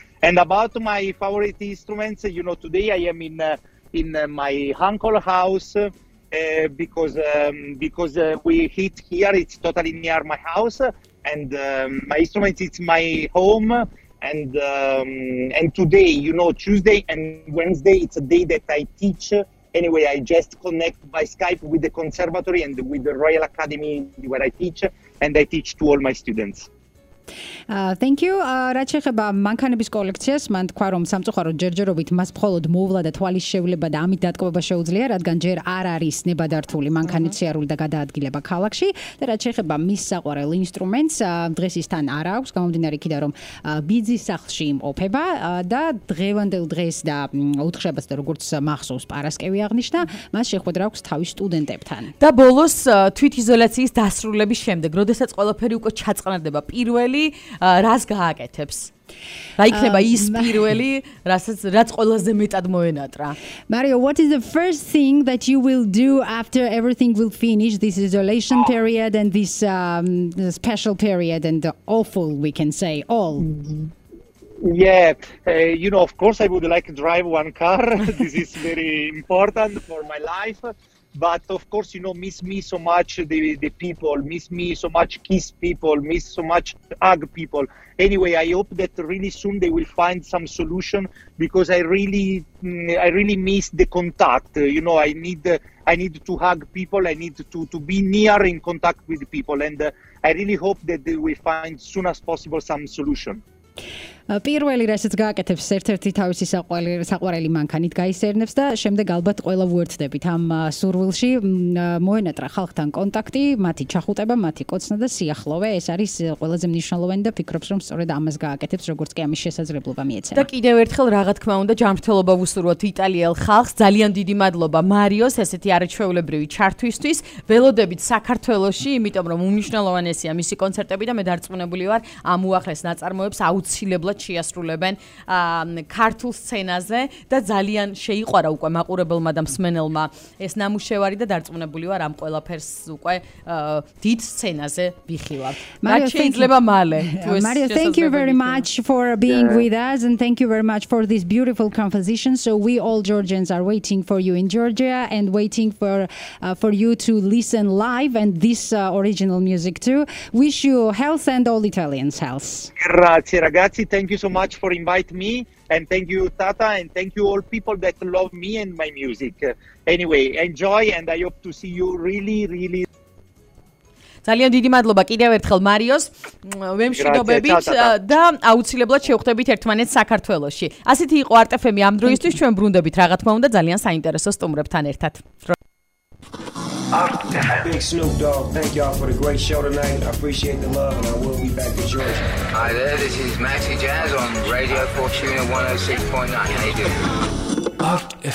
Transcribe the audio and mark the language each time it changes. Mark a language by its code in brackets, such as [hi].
[en] And about my favorite instruments, you know, today I am in my uncle's house because we hit here, it's totally near my house, and my instrument is my home. And today, you know, Tuesday and Wednesday, it's a day that I teach. Anyway, I just connect by Skype with the conservatory and with the Royal Academy where I teach, and I teach to all my students. Thank you. [ka] რა შეეხება მანქანების კოლექციას, მან თქვა რომ სამწუხაროდ ჯერჯერობით მას მხოლოდ მოვლა და თვალის შევლება და ამით დაკავება შეუძლია, რადგან ჯერ არ არის ნებადართული მანქანის ციარული და გადაადგილება ქალაქში. და რა შეეხება მის საყვარელ ინსტრუმენტს, დღეს ის თან არ აქვს, გამომდინარე კიდე რომ ბიძის სახლში იმყოფება და დღევანდელ დღეს და უთხრებას და როგორც მახსოვს პარასკევი აღნიშნა, მას შეხვედრა აქვს თავის სტუდენტებთან. და ბოლოს თვითიზოლაციის დასრულების შემდეგ, როდესაც ყველაფერი უკვე ჩაწყნარდება, პირველი რას გააკეთებს? რა იქნება ის პირველი, რაც ყველაზე მეტად მოენატრა? [en] Mario, what is the first thing that you will do after everything will finish this isolation period and this special period and the awful, we can say, all? Yeah, you know, of course I would like to drive one car. This is very important for my life. But of course, you know, miss me so much, the people, miss me so much, kiss people, miss so much, hug people. Anyway, I hope that really soon they will find some solution because I really miss the contact. You know, I need to hug people. I need to be near in contact with people. And I really hope that they will find soon as possible some solution. [ka] პირველი, რასაც გააკეთებს ერთ-ერთი თავისი საყვარელი მანქანით გაისერნებს და შემდეგ ალბათ ყველა უერთდებით ამ სურვილში, მოენატრა ხალხთან კონტაქტი, მათი ჩახუტება, მათი კოცნა და სიახლოვე. ეს არის ყველაზე მნიშვნელოვანი და ფიქრობს, რომ სწორედ ამას გააკეთებს, როგორც კი ამის შესაძლებლობა მიეცემა. და კიდევ ერთხელ, რა თქმა უნდა, ჯანმრთელობა ვუსურვოთ იტალიელ ხალხს. ძალიან დიდი მადლობა მარიოს ესეთი არაჩვეულებრივი ჩართვისთვის. ველოდებით საქართველოში, იმიტომ რომ უმნიშვნელოვანესია მისი კონცერტები და მე დარწმუნებული ვარ, ამ უახლეს ნაწარმოებს აუცილებლად შეასრულებენ ქართულ სცენაზე და ძალიან შეიყვარა უკვე მაყურებელმა და მსმენელმა ეს ნამუშევარი და დარწმუნებული ვარ ამ ყველაფერს უკვე დიდ სცენაზე ვიხილავთ. [en] Mario, [ka] შეიძლება მალე. [en] Mario, thank you very much for being with us and thank you very much for this beautiful composition. So we all Georgians are waiting for you in Georgia and waiting for you to listen live and this original music too. Wish you health and all Italians health. [it] Grazie ragazzi, [en] thank you so much for invite me and thank you Tata and thank you all people that love me and my music. Anyway, enjoy and I hope to see you really really [ka] ძალიან დიდი მადლობა კიდევ ერთხელ მარიოს. მე მშვიდობებით და აუცილებლად შევხვდებით ერთმანეთს საქართველოში. ასეთი იყო არტეფემი ამ დროისთვის, ჩვენ ბრუნდებით რა თქმა უნდა ძალიან საინტერესო სტუმრებთან ერთად. [en] Big Snoop Dogg, thank y'all for the great show tonight. I appreciate the love and I will be back to Georgia. Hi there, this is Maxi Jazz on Radio Fortuna 106.9. How you doing? Art FM.